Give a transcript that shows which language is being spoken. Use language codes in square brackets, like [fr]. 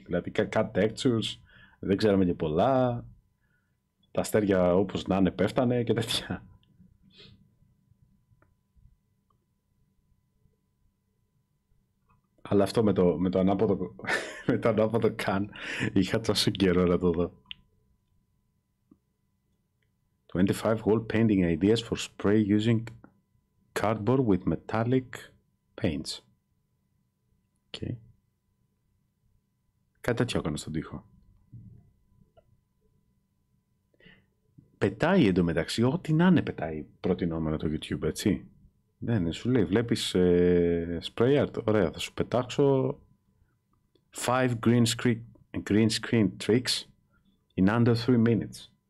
[el] Δηλαδή cut textures, δεν ξέραμε και πολλά, τα αστέρια όπως να είναι πέφτανε και τέτοια. Αλλά αυτό με το ανάποδο καν είχα τόσο καιρό να το δω. [en] 25 wall painting ideas for spray using cardboard with metallic paints. Okay. [el] Κάτι τέτοιο έκανα στον τοίχο. Πετάει εντωμεταξύ, ό,τι να είναι πετάει προτινόμενο το YouTube, έτσι. Δεν είναι, σου λέει, βλέπεις spray art, ωραία, θα σου πετάξω [en] 5 green screen tricks in under 3 minutes.